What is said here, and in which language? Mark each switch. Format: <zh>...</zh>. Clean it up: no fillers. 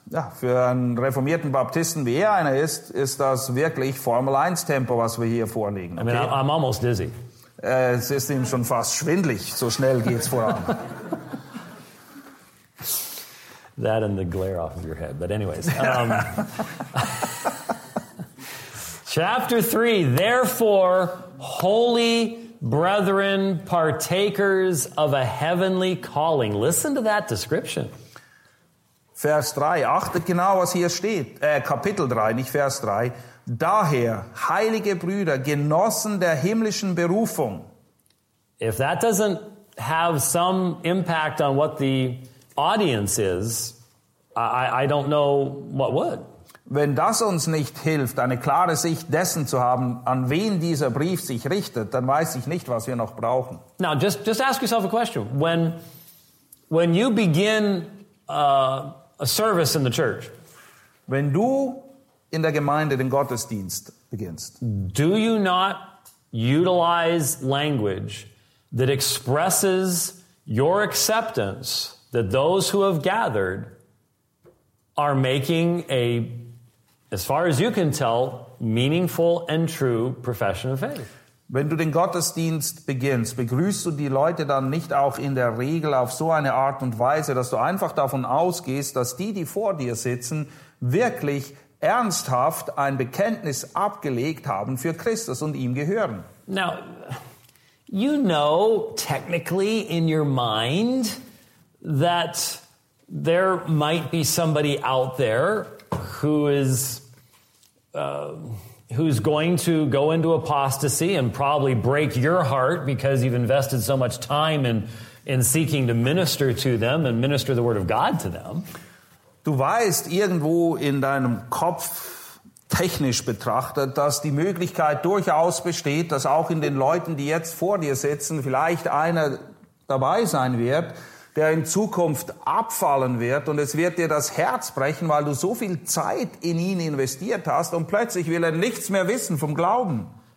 <de>Ja, für einen reformierten Baptisten, wie er einer ist, ist das wirklich Formel-1-Tempo, was wir hier vorlegen. Okay?</de> <en>I mean, I'm almost dizzy.</en> <de>Es ist ihm schon fast schwindelig, so schnell geht's voran.</de> <en>That and the glare off of your head. But anyways. Chapter 3, therefore, holy brethren, partakers of a heavenly calling. Listen to that description.</en> <de>Vers 3, achtet genau, was hier steht. Kapitel 3, nicht Vers 3. Daher, heilige Brüder, Genossen der himmlischen Berufung.</de> <en>If that doesn't have some impact on what the audience is, I don't know what would.</en> <de>Wenn das uns nicht hilft, eine klare Sicht dessen zu haben, an wen dieser Brief sich richtet, dann weiß ich nicht, was wir noch brauchen.</de> <en>Now, just ask yourself a question. When you begin a service in the church.</en> <de>Wenn du in der Gemeinde den Gottesdienst beginnst.</de> <en>Do you not utilize language that expresses your acceptance that those who have gathered are making a, as far as you can tell, meaningful and true profession of faith?</en> <de>Wenn du den Gottesdienst beginnst, begrüßt du die Leute dann nicht auch in der Regel auf so eine Art und Weise, dass du einfach davon ausgehst, dass die, die vor dir sitzen, wirklich ernsthaft ein Bekenntnis abgelegt haben für Christus und ihm gehören?</de> <en>Now, you know technically in your mind that there might be somebody out there who is... Who's going to go into apostasy and probably break your heart because you've invested so much time in seeking to minister to them and minister the word of God to them.</en> <de>Du weißt irgendwo in deinem Kopf, technisch betrachtet, dass die Möglichkeit durchaus besteht, dass auch in den Leuten, die jetzt vor dir sitzen, vielleicht einer dabei sein wird, der in Zukunft abfallen wird und es wird dir das Herz brechen, weil du so viel Zeit in ihn investiert hast und plötzlich will er nichts mehr wissen vom Glauben.</de>